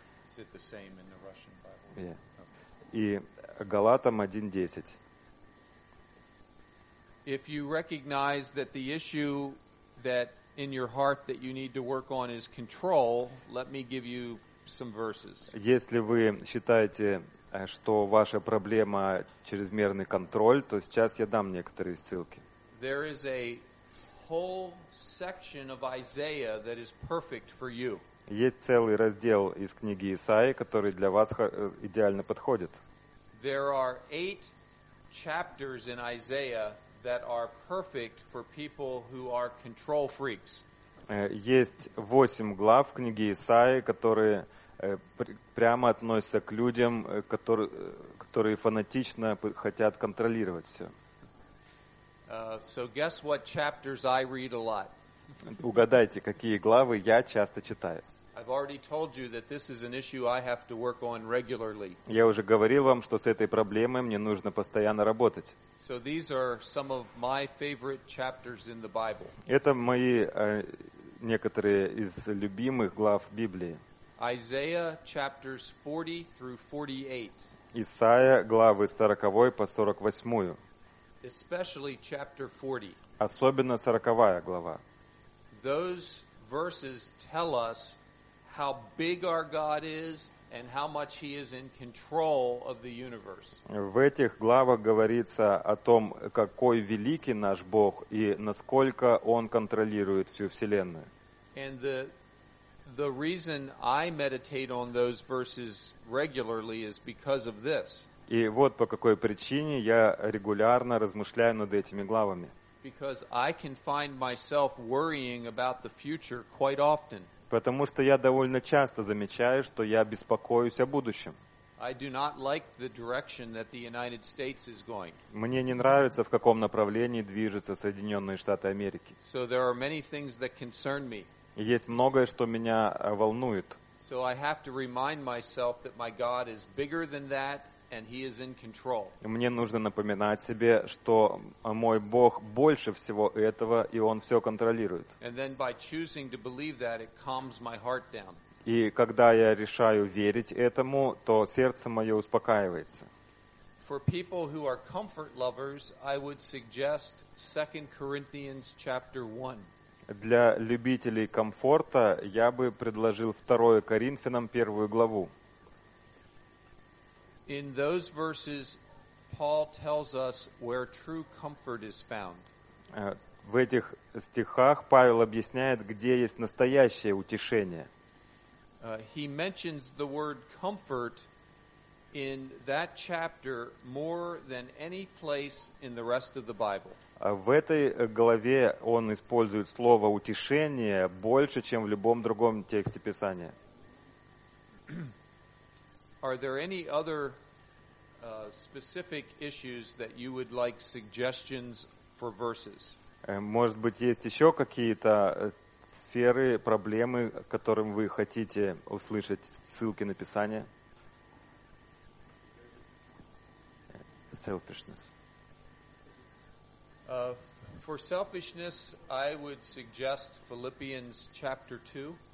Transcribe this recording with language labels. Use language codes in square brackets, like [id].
[en] Is it the same in the Russian Bible? Yeah. Okay. [ru] И Галатам 1:10. [en] If you recognize that the issue that in your heart that you need to work on is control, let me give you some verses. [ru] Если вы считаете, что ваша проблема чрезмерный контроль, то сейчас я дам некоторые ссылки. [en] There is a whole section of Isaiah that is perfect for you. [ru] Есть целый раздел из книги Исаии, который для вас идеально подходит. [en] There are 8 chapters in Isaiah that are perfect for people who are control freaks. [ru] Есть 8 глав в книге Исаии, которые прямо относятся к людям, которые фанатично хотят контролировать все. [en] So guess what chapters I read a lot. [ru] Угадайте, какие главы я часто читаю. [en] I've already told you that this is an issue I have to work on regularly. [ru] Я уже говорил вам, что с этой проблемой мне нужно постоянно работать. [en] So these are some of my favorite chapters in the Bible. [ru] Это мои некоторые из любимых глав Библии. [en] Isaiah chapters 40 through 48. [ru] Исаия главы 40 по 48. [en] Especially chapter 40. [ru] Особенно 40 глава. [en] Those verses tell us how big our God is and how much he is in control of the universe. [ru] В этих главах говорится о том, какой великий наш Бог и насколько он контролирует всю вселенную. [en] And the reason I meditate on those verses regularly is because of this. [ru] И вот по какой причине я регулярно размышляю над этими главами. [en] Because I can find myself worrying about the future quite often. [ru] Потому что я довольно часто замечаю, что я беспокоюсь о будущем. [en] I do not like the direction that the United States is going. [ru] Мне не нравится, в каком направлении движутся Соединенные Штаты Америки. [en] So there are many things that concern me. [ru] Есть многое, что меня волнует. [en] So I have to remind myself that my God is bigger than that and he is in control. [ru] Мне нужно напоминать себе, что мой Бог больше всего этого и он все контролирует. [en] And then by choosing to believe that, it calms my heart down. [ru] И когда я решаю верить этому, то сердце мое успокаивается. [en] For people who are comfort lovers, I would suggest 2 Corinthians chapter 1. [ru] Для любителей комфорта я бы предложил 2 Коринфянам 1 главу. [en] In those verses, Paul tells us where true comfort is found. [ru] В этих стихах Павел объясняет, где есть настоящее утешение. [en] He mentions the word comfort in that chapter more than any place in the rest of the Bible. [ru] В этой главе он использует слово «утешение» больше, чем в любом другом тексте Писания. [en] Are there any other specific issues that you would like suggestions for verses? [ru] Может быть, есть еще какие-то сферы, проблемы, которым вы хотите услышать ссылки на Писание? [en] Selfishness. For selfishness, I would suggest Philippians chapter 2.